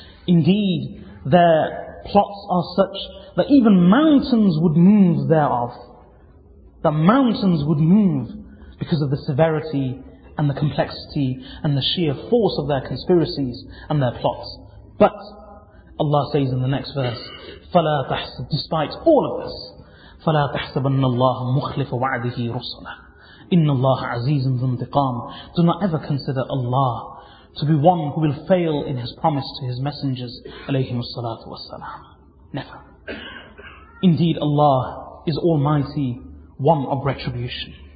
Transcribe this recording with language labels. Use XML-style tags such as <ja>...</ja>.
<en>Indeed, their plots are such that even mountains would move thereof. That mountains would move because of the severity and the complexity and the sheer force of their conspiracies and their plots. But Allah says in the next verse,</en> <ar>فَلَا تَحْسَبْ.</ar> <en>Despite all of this,</en> <ar>فَلَا تَحْسَبَنَّ اللَّهَ مُخْلِفَ وَعْدِهِ رُسُلَهُ. إِنَّ اللَّهَ عَزِيزٌ ذُو انْتِقَامٍ.</ar> <en>Do not ever consider Allah to be one who will fail in His promise to His messengers alayhimu salatu wassalam. Never. Indeed, Allah is Almighty, one of retribution.</en>